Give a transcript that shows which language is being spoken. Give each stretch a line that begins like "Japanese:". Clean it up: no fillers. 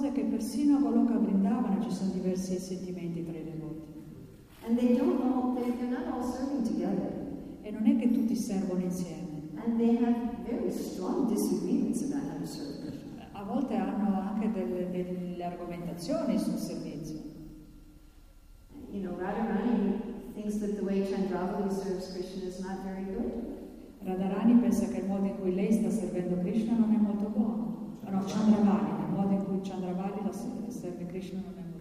Italian: persino a Goloka Vrindavana ci sono diversi sentimenti tra i devoti.
English: And they don't all, they're not all serving together.
Italian: E non è che tutti servono insieme.
English: And they have very strong disagreements about how to serve.
Italian: A volte hanno anche delle argomentazioni sul servizio.
English: You know, Radharani thinks that the way Chandravali serves Krishna is not very good.
Italian: Radharani pensa che il modo in cui lei sta servendo Krishna non è molto buono. No, Chandravali, il modo in cui Chandravali la serve Krishna non è molto buono.